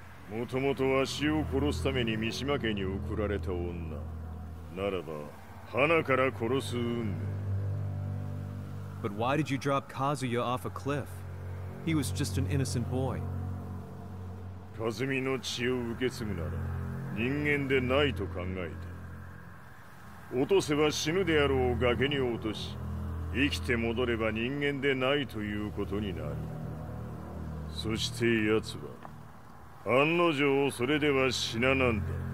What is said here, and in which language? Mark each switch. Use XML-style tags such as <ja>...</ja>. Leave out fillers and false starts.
<ja>もともとわしを殺すために三島家に送られた女。ならば、花から殺す運命。</ja> <en>But why did you drop Kazuya off a cliff? He was just an innocent boy.</en> <ja>カズミの血を受け継ぐなら、人間でないと考えて。落とせば死ぬであろう崖に落とし、生きて戻れば人間でないということになる。そして奴は、案の定それでは死ななんだ。</ja>